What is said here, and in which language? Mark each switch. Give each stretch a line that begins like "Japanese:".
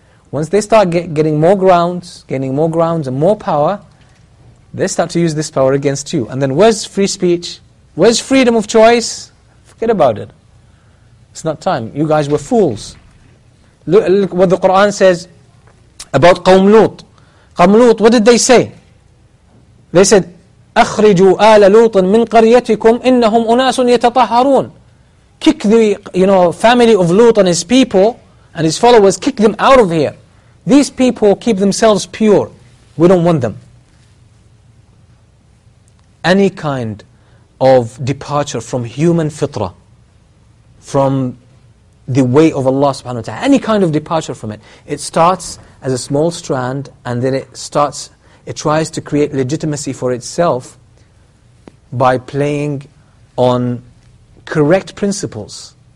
English: Once they start getting more grounds, gaining more grounds and more power, they start to use this power against you. And then where's free speech? Where's freedom of choice? Forget about it. It's not time. You guys were fools. Look what the Quran says about Qawm Lut. Qawm Lut, what did they say? They said,
Arabic: أَخْرِجُوا آلَ لُوطٍ مِنْ قَرْيَتِكُمْ إِنَّهُمْ أُنَاسٌ يَتَطَهَّرُونَ.
English: Kick the, you know, family of Lut and his people and his followers, kick them out of here. These people keep themselves pure. We don't want them. Any kind of departure from human fitrah, from the way of Allah subhanahu wa ta'ala, any kind of departure from it, it starts as a small strand and then it tries to create legitimacy for itself by playing on correct principles.